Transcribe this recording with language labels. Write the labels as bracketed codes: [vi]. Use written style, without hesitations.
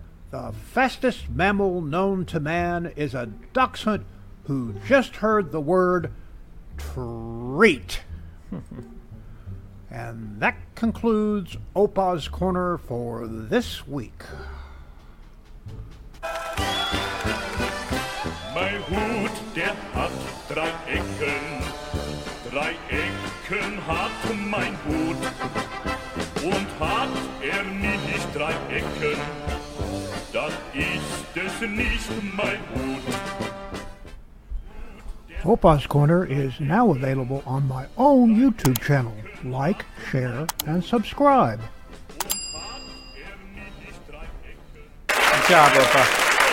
[en] The fastest mammal known to man is a dachshund who just heard the word treat. And that concludes Opa's Corner for this week. [de] My hoot, der hat drei Ecken. Drei Ecken hat mein Hut. Und hat nicht drei Ecken, dann ist es nicht mein Hut. [en] Opa's Corner is now available on my own YouTube channel. Like, share, and subscribe. Good job, Opa.